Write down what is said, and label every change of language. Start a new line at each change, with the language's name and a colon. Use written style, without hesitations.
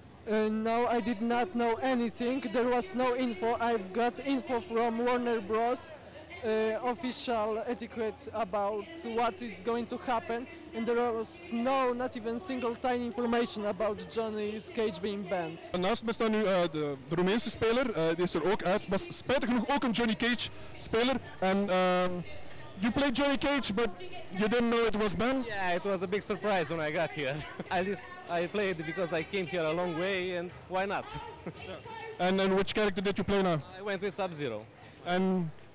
English: No, I did not know anything. There was no info. I've got info from Warner Bros. Official etiquette about what is going to happen, and there was no, not even single tiny information about Johnny's Cage being banned.
Dutch: En naast me staat nu de Roemeense speler, die is er ook uit, was spijtig genoeg ook een Johnny Cage speler.
English: En you played Johnny Cage, but you didn't know it was banned? Yeah, it was a big surprise when I got here. At least I played because I came here a long way, and why not? And then which character did you play now? I went with Sub-Zero. And